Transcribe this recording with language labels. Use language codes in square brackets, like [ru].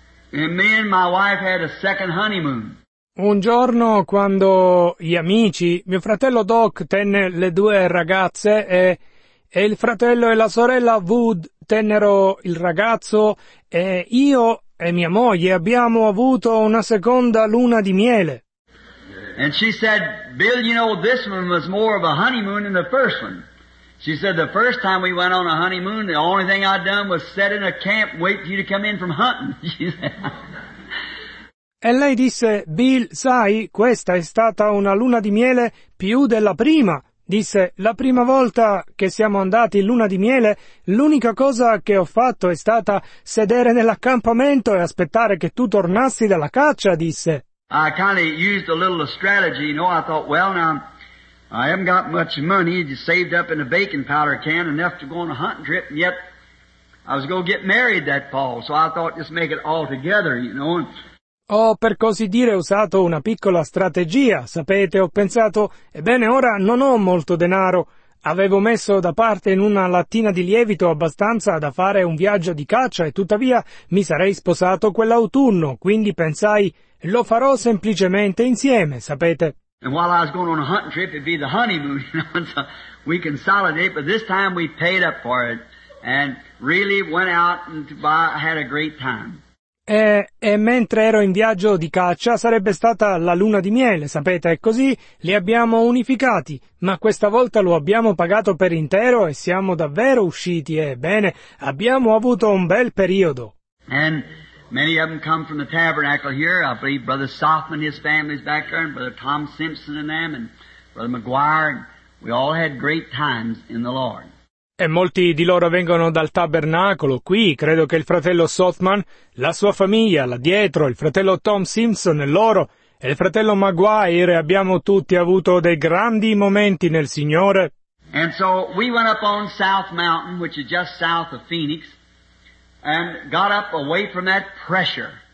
[en] And me and my wife had a second honeymoon. [it] Un giorno quando gli amici, mio fratello Doc tenne le due ragazze e il fratello e la sorella Wood tennero il ragazzo e io e mia moglie abbiamo avuto una seconda luna di miele. [en] And she said, Bill, you know, this one was more of a honeymoon than the first one. She said, the first time we went on a honeymoon, the only thing I'd done was set in a camp and wait for you to come in from hunting. [it] E lei disse, Bill, sai, questa è stata una luna di miele più della prima. Disse, la prima volta che siamo andati in luna di miele, l'unica cosa che ho fatto è stata sedere nell'accampamento e aspettare che tu tornassi dalla caccia, disse. [en] I kind of used a little strategy, you know, I thought, well, now, I haven't got much money, just saved up in a baking powder can enough to go on a hunting trip, and yet, I was going to get married that fall, so I thought, just make it all together, you know, and... [it] Ho, per così dire, usato una piccola strategia, sapete, ho pensato, ebbene ora non ho molto denaro, avevo messo da parte in una lattina di lievito abbastanza da fare un viaggio di caccia e tuttavia mi sarei sposato quell'autunno, quindi pensai, lo farò semplicemente insieme, sapete. [en] And while I was going on a hunting trip, it'd be the honeymoon, you know, so we consolidate, but this time we paid up for it and really went out and had a great time. [it] E mentre ero in viaggio di caccia sarebbe stata la luna di miele, sapete, e così li abbiamo unificati, ma questa volta lo abbiamo pagato per intero e siamo davvero usciti, ebbene, abbiamo avuto un bel periodo. [en] And many of them come from the tabernacle here, I believe Brother Softman, his family's back there, and Brother Tom Simpson and them, and Brother McGuire, and we all had great times in the Lord. [it] E molti di loro vengono dal tabernacolo qui, credo che il fratello Sothman, la sua famiglia là dietro, il fratello Tom Simpson e loro, e il fratello Maguire, abbiamo tutti avuto dei grandi momenti nel Signore. [en] And so we went up on South Mountain, which is just south of Phoenix, and got up away from that pressure.